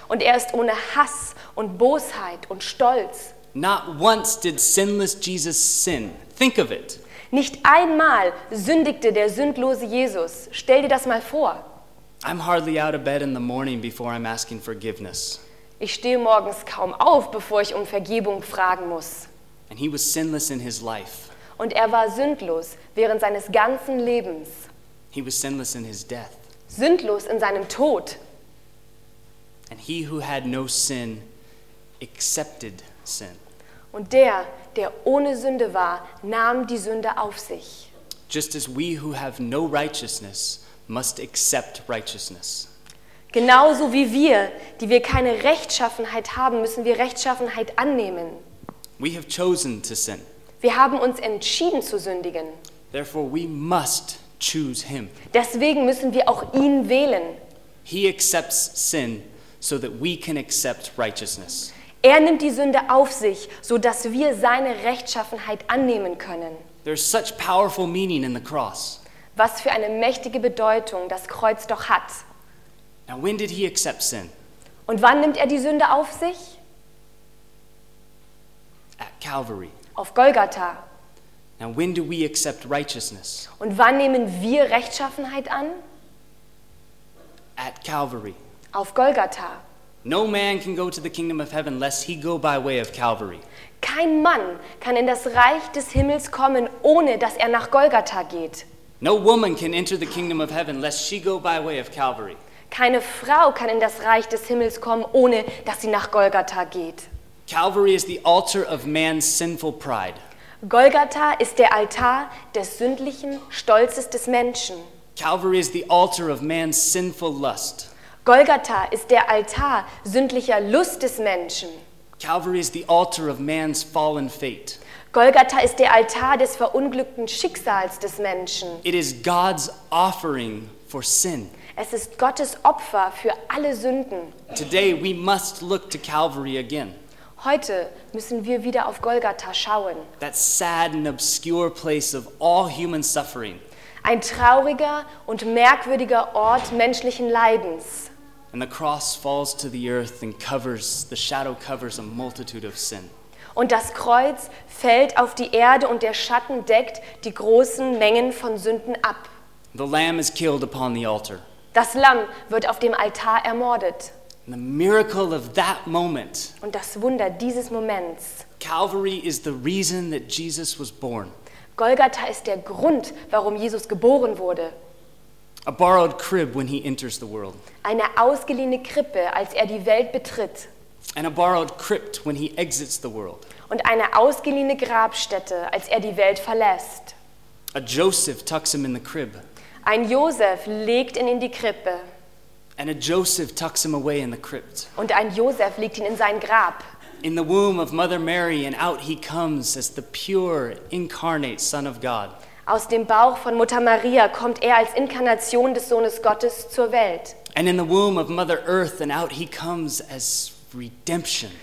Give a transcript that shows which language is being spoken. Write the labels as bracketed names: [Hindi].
[German] Und er ist ohne Hass und Bosheit und Stolz. [English] Not once did sinless Jesus sin. Think of it. [German] Nicht einmal sündigte der sündlose Jesus. Stell dir das mal vor. [English] I'm hardly out of bed in the morning before I'm asking forgiveness. [German] Ich stehe morgens kaum auf, bevor ich um Vergebung fragen muss. [English] And he was sinless in his life. [German] Und er war sündlos während seines ganzen Lebens. [English] He was sinless in his death. [German] Sündlos in seinem Tod. [English] And he who had no sin accepted sin. [German] Und der, der ohne Sünde war, nahm die Sünde auf sich. [English] Just as we who have no righteousness must accept righteousness. [German] Genauso wie wir, die wir keine Rechtschaffenheit haben, müssen wir Rechtschaffenheit annehmen. [English] We have chosen to sin. [German] Wir haben uns entschieden zu sündigen. [English] Therefore we must choose him. [German] Deswegen müssen wir auch ihn wählen. [English] He accepts sin so that we can accept righteousness. [German] Er nimmt die Sünde auf sich, so dass wir seine Rechtschaffenheit annehmen können. [English] There's such powerful meaning in the cross. [German] Was für eine mächtige Bedeutung das Kreuz doch hat. [English] Now when did he accept sin? [German] Und wann nimmt er die Sünde auf sich? [English] At Calvary. [German] Auf Golgatha. [English] Now when do we accept righteousness? [German] Und wann nehmen wir Rechtschaffenheit an? [English] At Calvary. [German] Auf Golgatha. [English] No man can go to the kingdom of heaven lest he go by way of Calvary. [German] Kein Mann kann in das Reich des Himmels kommen, ohne dass er nach Golgatha geht. [English] No woman can enter the kingdom of heaven lest she go by way of Calvary. [German] Keine Frau kann in das Reich des Himmels kommen, ohne dass sie nach Golgatha geht. [English] Calvary is the altar of man's sinful pride. [German] Golgatha ist der Altar des sündlichen Stolzes des Menschen. [English] Calvary is the altar of man's sinful lust. [German] Golgatha ist der Altar sündlicher Lust des Menschen. [English] Calvary is the altar of man's fallen fate. [German] Golgatha ist der Altar des verunglückten Schicksals des Menschen. [English] It is God's offering for sin. [German] Es ist Gottes Opfer für alle Sünden. [English] Today we must look to Calvary again. [German] Heute müssen wir wieder auf Golgatha schauen. [English] That sad and obscure place of all human suffering. [German] Ein trauriger und merkwürdiger Ort menschlichen Leidens. [English] And the cross falls to the earth and covers, the shadow covers a multitude of sin. [German] Und das Kreuz fällt auf die Erde und der Schatten deckt die großen Mengen von Sünden ab. [English] The lamb is killed upon the altar. [German] Das Lamm wird auf dem Altar ermordet. [English] And the miracle of that moment. [German] Und das Wunder dieses Moments. [English] Calvary is the reason that Jesus was born. [German] Golgatha ist der Grund, warum Jesus geboren wurde. [English] A borrowed crib when he enters the world. [German] Eine ausgeliehene Krippe, als er die Welt betritt. [English] And a borrowed crypt when he exits the world. [German] Und eine ausgeliehene Grabstätte, als er die Welt verlässt. [English] A Joseph tucks him in the crib. [German] Ein Josef legt ihn in die Krippe. [English] And a Joseph tucks him away in the crypt. [German] Und ein Josef legt ihn in sein Grab. [English] In the womb of Mother Mary, and out he comes as the pure incarnate Son of God. [German] Aus dem Bauch von Mutter Maria kommt als Inkarnation des Sohnes Gottes zur Welt. [English] And in the womb of Mother Earth, and out he comes as redemption.